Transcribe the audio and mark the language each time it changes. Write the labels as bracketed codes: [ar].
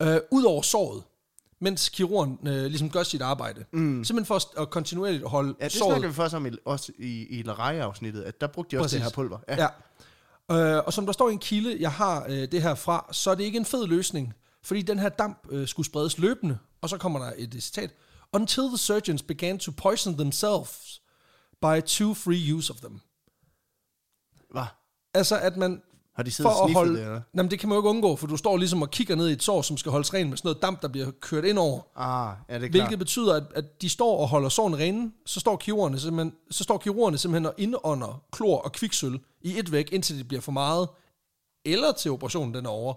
[da] Udover såret, mens kirurgen ligesom gør sit arbejde. Mm. Simpelthen for at kontinuerligt holde såret. Ja, det snakker vi først om også i Lareje-afsnittet, at der brugte de også det her pulver. Ja. Og som der står i en kilde, jeg har det her fra, så er det ikke en fed løsning, fordi den her damp skulle spredes løbende, og så kommer der et citat. [en] Until the surgeons began to poison themselves by two free use of them. [da] Hvad? Altså, at man... Har de siddet for at holde, det, jamen det kan man jo ikke undgå, for du står ligesom og kigger ned i et sår, som skal holdes ren med sådan noget damp, der bliver kørt ind over. Ja, det er hvilket klart. Betyder, at de står og holder såren rene, så står kirurgerne simpelthen og indånder klor og kviksøl i et væk, indtil det bliver for meget, eller til operationen den er over.